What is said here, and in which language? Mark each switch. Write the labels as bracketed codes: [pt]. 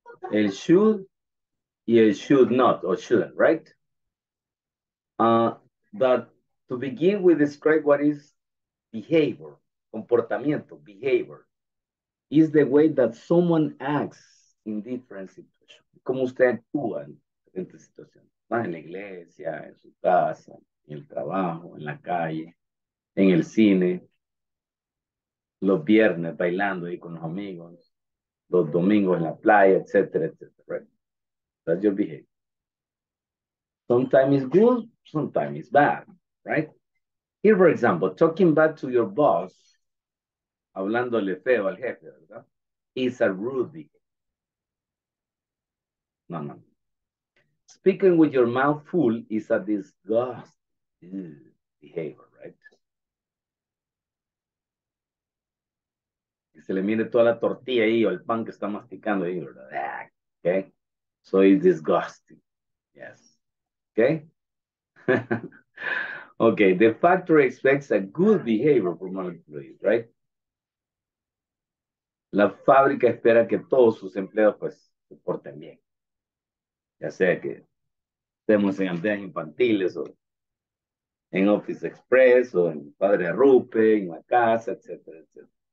[en] El should y el should not, or shouldn't, right? But to begin, we describe what is behavior, comportamiento, behavior. Is the way that someone acts in different situations. [es] ¿Cómo usted actúa en diferentes situaciones? Más en la iglesia, en su casa, en el trabajo, en la calle, en el cine, los viernes bailando ahí con los amigos, los domingos en la playa, etcétera, etcétera. [en] Right? That's your behavior. Sometimes it's good, sometimes it's bad, right? Here, for example, talking bad to your boss, [es] hablándole feo al jefe, ¿verdad? [en] Is a rude behavior. No, no. Speaking with your mouth full is a disgusting behavior, right? [es] Se le mire toda la tortilla ahí o el pan que está masticando ahí, ¿verdad? [en] Okay. So it's disgusting. Yes. Okay. Okay. The factory expects a good behavior from all employees, right? [es] La fábrica espera que todos sus empleados pues se porten bien. Ya sea que estemos en aldeas infantiles o en Office Express o en Padre Arrupe, en la casa, etcétera, etcétera.